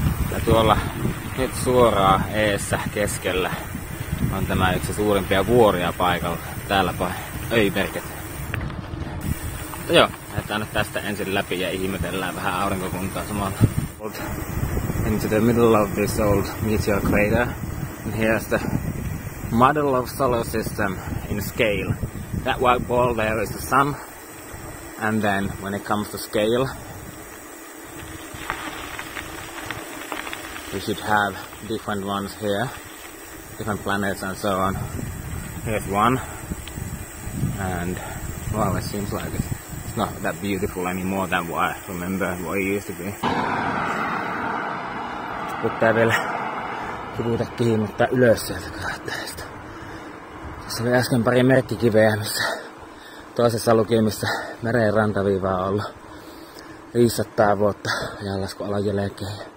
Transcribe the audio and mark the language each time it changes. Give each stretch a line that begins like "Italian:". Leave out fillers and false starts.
Finnish: Ja tuolla nyt suoraan eessä keskellä on tämä yksi suurimpia vuoria paikalla. Täälläpä ei merkit. Mutta joo, lähdetään nyt tästä ensin läpi ja ihmetellään vähän aurinkokuntaa samalla.
English: Into the middle of this old meteor crater. And here's the model of solar system in scale. That white ball there is the sun. And then when it comes to scale, we should have different ones here, different planets and so on. Here's one, and well, it seems like it's not that beautiful anymore than what I remember what it used to be.
Finnish: Pitää vielä kivuuta kiinni, mutta ylös sieltä kraatteista. Tuossa oli äsken pari merkkikiveä, missä toisessa luki, missä meren rantaviiva on ollut 500 vuotta ajanlasku alajälkeen.